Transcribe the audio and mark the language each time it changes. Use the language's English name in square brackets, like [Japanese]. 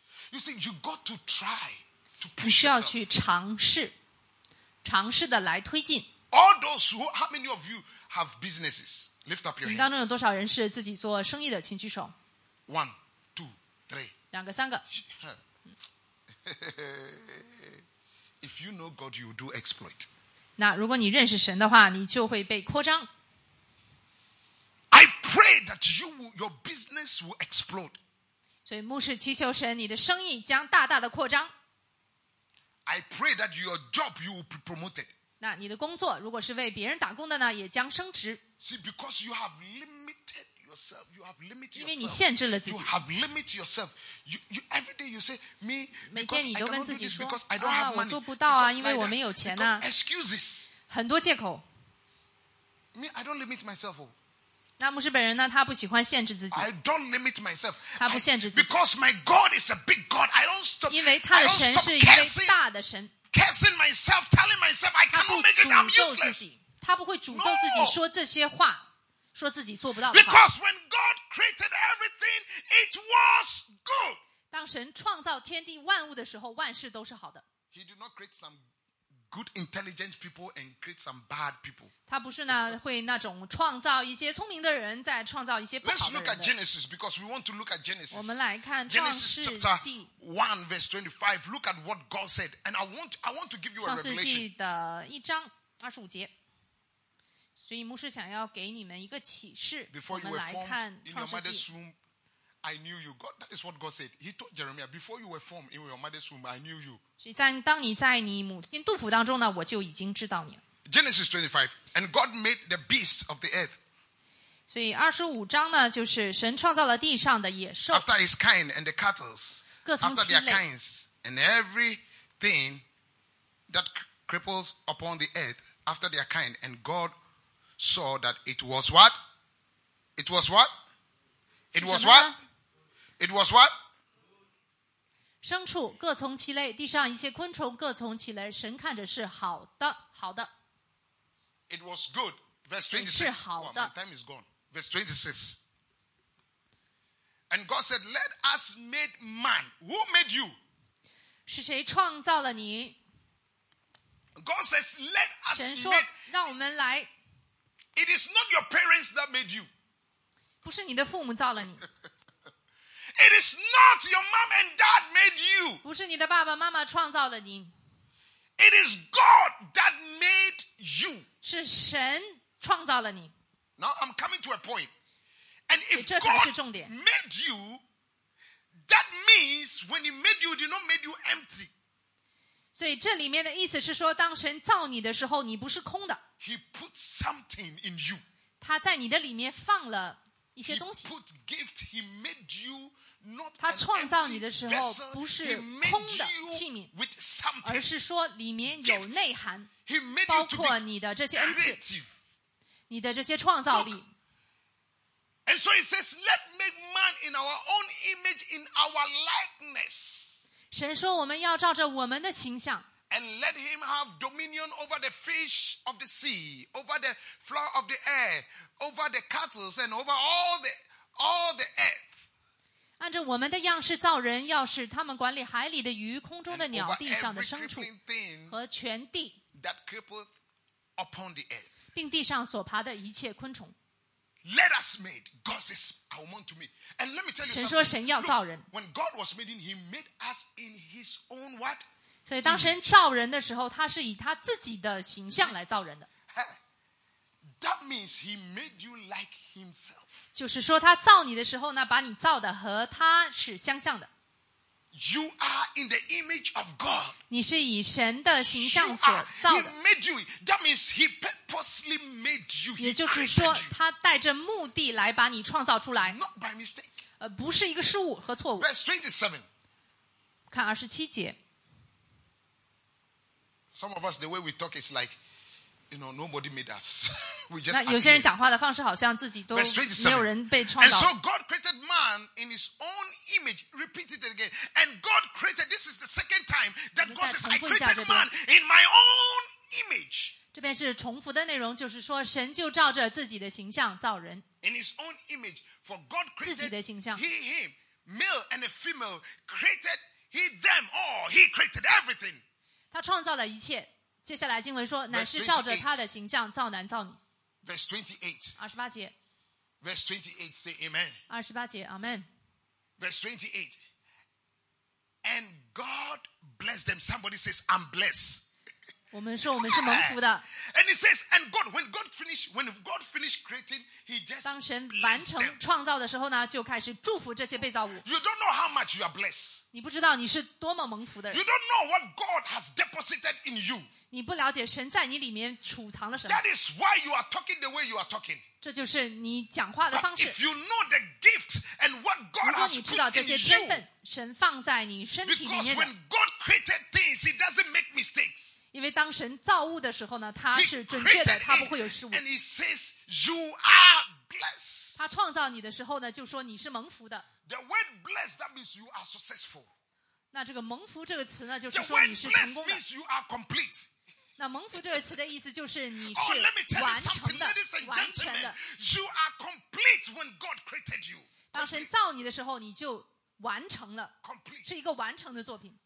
[English] You see, you got to try to push. [Chinese] 你需要去尝试，尝试的来推进。 [English] All those who, how many of you have businesses? Lift up your hands. [Chinese] 当中有多少人是自己做生意的？请举手。 [English] One, two, three. [Chinese] 两个，三个。 [English] If you know God, you do exploit. [Chinese] 那如果你认识神的话，你就会被扩张。 [English] I pray that you will, your business will explode. [Chinese] 所以牧师祈求神，你的生意将大大的扩张。 [English] I pray that your job you will be promoted. [Chinese] 那你的工作如果是为别人打工的呢，也将升职。 [English] See, because you have limited yourself, you have limited yourself. [Chinese] 因为你限制了自己。 [English] You have limited yourself. You every day you say me. [Chinese] 每天你都跟自己说 [English] because I don't have money. [Chinese] 啊，我做不到啊，因为我没有钱啊。 [English] Excuses. [Chinese] 很多借口。 [English] Me, I don't limit myself. [Chinese] 那牧师本人呢？他不喜欢限制自己。 [English] I don't limit myself. [Chinese] 他不限制自己。 [English] Because my God is a big God. I don't stop. [Chinese] 因为他的神是一位大的神。 [English] Cursing myself, telling myself I cannot make it. I'm useless. [Chinese] 他不会诅咒自己说这些话。说自己做不到的话。 [English] Because when God created everything, it was good. [Chinese] 当神创造天地万物的时候，万事都是好的。 [English] He did not create some good, intelligent people and create some bad people. [Chinese] 他不是呢，会那种创造一些聪明的人，再创造一些不好的人。 [English] Let's look at Genesis because we want to look at Genesis. [Chinese] 我们来看创世纪。 [English] Genesis chapter 1 verse 25. Look at what God said, and I want to give you a revelation. [Chinese] 创世纪的一章二十五节。所以牧师想要给你们一个启示。我们来看创世纪。 [English] In your mother's womb, I knew you. God, that is what God said. He told Jeremiah, "Before you were formed in your mother's womb, I knew you." [Chinese] 所以在当你在你母亲肚腹当中呢，我就已经知道你了。 [English] Genesis 25, and God made the beasts of the earth. [Chinese] 所以二十五章呢，就是神创造了地上的野兽。 [English] After his kind and the cattle, [Chinese] 各从其类。 [English] After their kinds and everything that cripples upon the earth, after their kind, and God saw that it was what? It was what? It was what? It was what? [Chinese] 牲畜各从其类，地上一切昆虫各从其类。神看着是好的，好的。 [English] It was good. Verse 26. [Chinese] 是好的。 [English] Wow, my time is gone. Verse 26. And God said, "Let us make man." Who made you? [Chinese] 是谁创造了你？ [English] God says, "Let us make." [Chinese] 神说，让我们来。 [English] It is not your parents that made you. [Chinese] 不是你的父母造了你。 [English] It is not your mom and dad made you. [Chinese] 不是你的爸爸妈妈创造了你。 [English] It is God that made you. [Chinese] 是神创造了你。 [English] Now I'm coming to a point. And if God made you, that means when he made you, he did not make you empty. [Chinese] 所以这里面的意思是说，当神造你的时候，你不是空的。 [English] He put something in you. [Chinese] 他在你的里面放了。一些东西 [English] he put gift, he made you not [Chinese] 他创造你的时候不是空的器皿 [English] with something, [Chinese] 而是说里面有内涵 [English] he made you [Chinese] 包括你的这些恩赐 [English] creative. [Chinese] 你的这些创造力 [English] Look, And so he says Let make man in our own image in our likeness [Chinese] 神说我们要照着我们的形象 [English] And let him have dominion over the fish of the sea, over the flower of the air, over the cattle, and over all the earth. [Chinese] 按照我们的样式造人，要使他们管理海里的鱼、空中的鸟、地上的牲畜和全地。 [English] That creepeth upon the earth. [Chinese] 并地上所爬的一切昆虫。 [English] Let us make God says, "I want to make." And let me tell you, [Chinese] 神说神要造人。 [English] Look, when God was making, He made us in His own what? [Chinese] 所以当神造人的时候他是以他自己的形象来造人的 [English] That means he made you like himself. [Chinese] 就是说他造你的时候呢把你造的和他是相像的 [English] You are in the image of God. [Chinese] 你是以神的形象所造的 [English] He made you. That means he purposely made you. [Chinese] 也就是说他带着目的来把你创造出来 [English] Not by mistake. [Chinese] 不是一个失误和错误 [English] Verse 27. [Chinese] 看27节 [English] Some of us, the way we talk is like, you know, nobody made us. We just. [Chinese] 那有些人讲话的方式好像自己都没有人被创造。 [English] And so God created man in His own image. Repeat it again. And God created. This is the second time that God says, "I created man in my own image." [Chinese] 这边是重复的内容，就是说神就照着自己的形象造人。 [English] In His own image, for God created. [Chinese] 自己的形象。 [English] He him, male and a female, created he them all. He created everything. [Chinese] 他创造了一切接下来经文说乃是照着他的形象造男造女 [English] Verse [Chinese] 28节 [English] Verse 28 say amen [Chinese] 28节 amen [English] Verse 28 And God blessed them Somebody says I'm blessed [Chinese] 我们说我们是蒙福的 [English] And he says And God When God finished creating He just blessed them [Chinese] 当神完成创造的时候呢就开始祝福这些被造物 [English] You don't know how much you are blessed [Chinese] 你不知道你是多么蒙福的人。 [English] You don't know what God has deposited in you. [Chinese] 你不了解神在你里面储藏了什么。 [English] That is why you are talking the way you are talking. [Chinese] 这就是你讲话的方式。 [English] But if you know the gift and what God has put in you, [Chinese] 如果你知道这些天分，神放在你身体里面的。 [English] Because when God created things, He doesn't make mistakes. [Chinese] 因为当神造物的时候呢，他是准确的，他不会有失误。 [English] And He says, "You are blessed." [Chinese] 他创造你的时候呢，就说你是蒙福的。 [English] The word blessed, that means you are successful. [Chinese] 那这个蒙福这个词呢，就是说你是成功的。 [English] The word blessed means you are complete. [Chinese] 那蒙福这个词的意思就是你是完成的，完全的。 [English] You are complete when God created you. [Chinese] 当神造你的时候，你就完成了。 [English] Complete. [Chinese] 是一个完成的作品。